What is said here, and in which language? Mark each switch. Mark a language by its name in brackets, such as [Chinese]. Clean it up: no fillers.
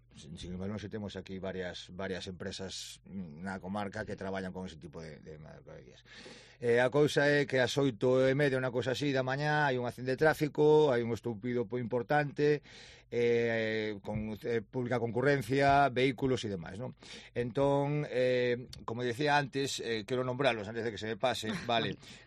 [Spanish] Sin embargo, si tenemos aquí varias empresas en la comarca que trabajan con ese tipo de mercaderías. [Galician] A cousa é que as 8:30, unha cousa así da mañá, hai un accidente de tráfico, hai un estoupido importante, con pública concurrencia, vehículos e demais, ¿no? Entón, como decía antes, quero nombrarlos antes de que se me pase, vale.